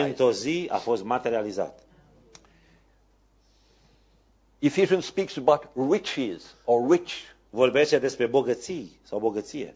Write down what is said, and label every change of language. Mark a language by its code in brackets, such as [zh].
[ro] Și într-o zi a fost materializat. [en] Ephesians speaks about riches or rich. [ro] Vorbește despre bogății sau bogăție.